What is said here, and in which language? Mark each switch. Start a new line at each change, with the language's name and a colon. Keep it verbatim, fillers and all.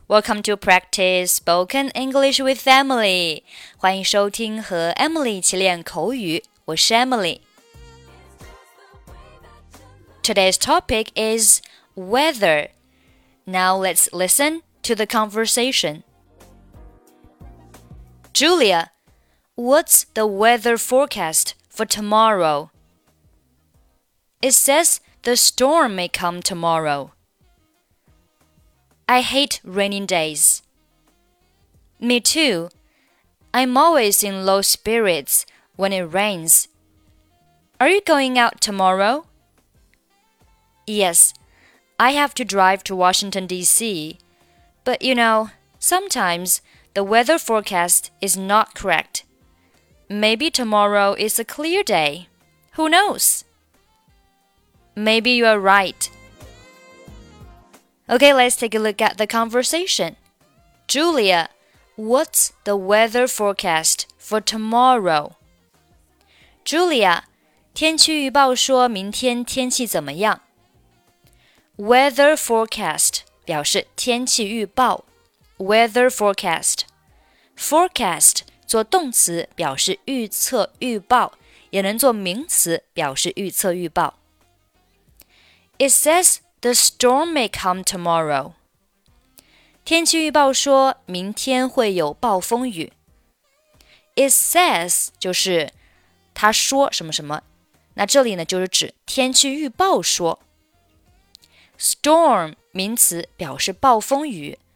English: Welcome to practice spoken English with Emily.
Chinese: 欢迎收听和 Emily 一起练口语。我是 Emily.
English: Today's topic is weather. Now let's listen to the conversation. Julia, what's the weather forecast for tomorrow? It says the storm may come tomorrow. I hate rainy days. Me too. I'm always in low spirits when it rains. Are you going out tomorrow? Yes, I have to drive to Washington, D C. But you know, sometimes the weather forecast is not correct. Maybe tomorrow is a clear day. Who knows? Maybe you are right. Okay, let's take a look at the conversation. Julia, what's the weather forecast for tomorrow?
Chinese: Julia, 天气预报说明天天气怎么样 ？Weather forecast 表示天气预报。 Weather forecast, forecast 做动词表示预测预报，也能做名词表示预测预报。
English: It says. The storm may come tomorrow.
Chinese: 天气预报说明天会有暴风雨。 It says 就是它说什么什么。那这里呢就是指天气预报说。Storm 名词表示暴风雨。